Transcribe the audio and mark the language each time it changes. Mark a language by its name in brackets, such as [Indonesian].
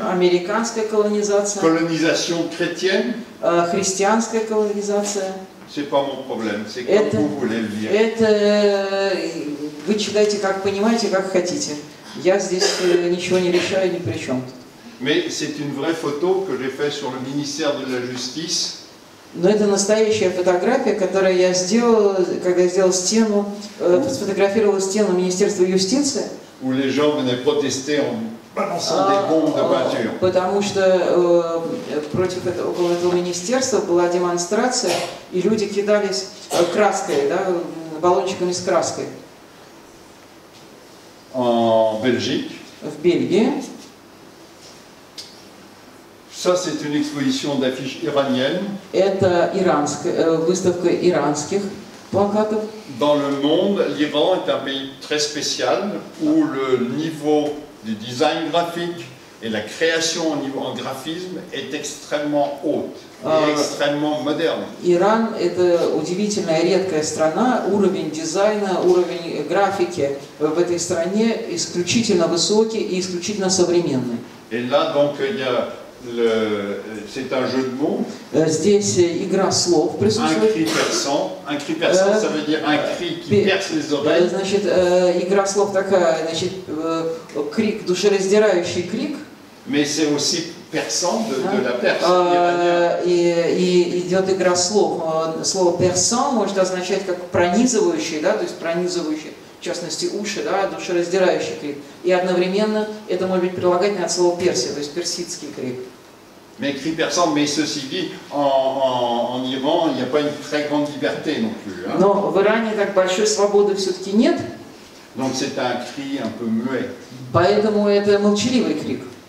[Russian] Американская колонизация. [French] Colonisation chrétienne? [Russian] Христианская колонизация. [French] C'est pas mon problème, c'est comme vous voulez le dire. [Russian] Это вы читаете, как понимаете, как хотите. Я здесь ничего не решаю, ни при чем. [French] Mais c'est une vraie photo que j'ai fait sur le ministère de la Justice. [Russian] Но это настоящая фотография, которую я сделал, когда я сделал стену, сфотографировал стену Министерства юстиции. [French] Où les gens venaient protester en balançant des bombes de peinture. [Russian] Потому что против этого, около этого министерства была демонстрация, и люди кидались краской, да, баллончиками с краской. [French] En Belgique. [Russian] В Бельгии. [French] Ça, c'est une exposition d'affiches iraniennes. [Russian] Это иранская выставка иранских плакатов. [French] Dans le monde, l'Iran est un pays très spécial où le niveau du design graphique et la création au niveau en graphisme est extrêmement haute et extrêmement moderne. [Russian] Иран это удивительная редкая страна, уровень дизайна, уровень графики в этой стране исключительно высокий и исключительно современный. [French] Et là donc il y a C'est un jeu de mots. [Russian] Здесь игра слов присутствует. [French] Un cri perçant, ça veut dire un cri qui perce les oreilles. [Russian] Значит, игра слов такая, значит, крик, душераздирающий крик. [French] Mais c'est aussi perçant de la perce. [Russian] Идет игра слов. Слово perçant может означать как пронизывающий, да, то есть пронизывающий. В частности, уши, да, душераздирающий крик. И одновременно это может быть прилагательное от слова «персия», то есть персидский крик. [French] Mais cri perçant, mais ceci dit, en Iran, il n'y a pas une très grande liberté non plus. Hein? [Russian] Но в Иране так большой свободы все-таки нет. [French] Donc c'est un cri un peu muet. [Russian] Поэтому это молчаливый крик.